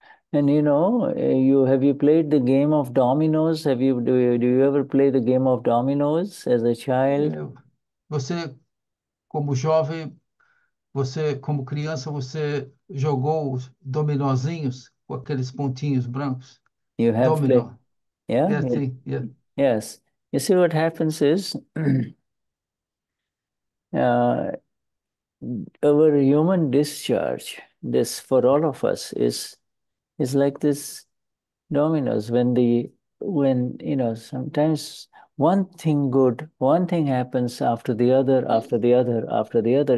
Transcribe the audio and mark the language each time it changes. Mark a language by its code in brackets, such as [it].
[en] And you know, have you played the game of dominoes? Do you ever play the game of dominoes as a child? [pt] Você, como jovem, você, como criança, você jogou os dominozinhos com aqueles pontinhos brancos? [en] You have played, [pt] Dominó. [en] yeah? [pt] É assim, é. [en] Yes. You see what happens is our human discharge, this for all of us, is like this dominoes. When you know, sometimes one thing good, one thing happens after the other, after the other, after the other.